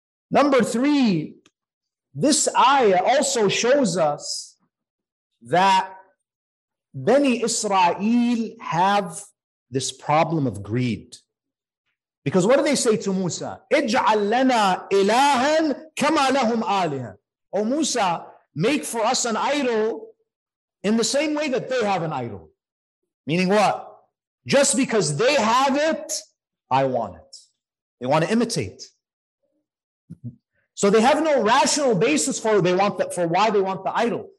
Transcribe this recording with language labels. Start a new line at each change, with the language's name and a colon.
English: Number three, this ayah also shows us that Bani Israel have this problem of greed. Because what do they say to Musa?
Arabic: اجعل لنا إلها كما لهم آلها.
English: Oh Musa, make for us an idol in the same way that they have an idol. Meaning what? Just because they have it, I want it. They want to imitate. So they have no rational basis for why they want the idol.